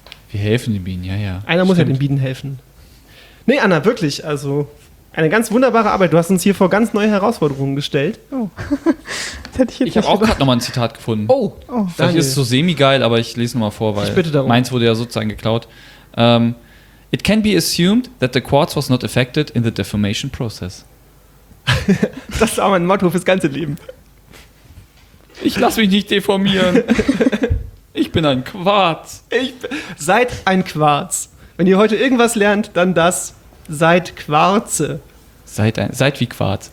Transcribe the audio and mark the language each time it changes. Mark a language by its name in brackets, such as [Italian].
[German] Wir helfen den Bienen, ja. Einer muss ja den Bienen helfen. Nee, Anna, wirklich, also eine ganz wunderbare Arbeit. Du hast uns hier vor ganz neue Herausforderungen gestellt. Oh. Ich habe auch gerade nochmal ein Zitat gefunden. Oh, vielleicht ist es so [English] semi- [German] geil, aber ich lese nochmal vor, weil meins wurde ja sozusagen geklaut. [English] It can be assumed that the quartz was not affected in the deformation process. [German] Das ist auch mein Motto fürs ganze Leben. Ich lasse mich nicht deformieren. Ich bin ein Quarz. Seid ein Quarz. Wenn ihr heute irgendwas lernt, dann das. Seid Quarze. Seid wie Quarz.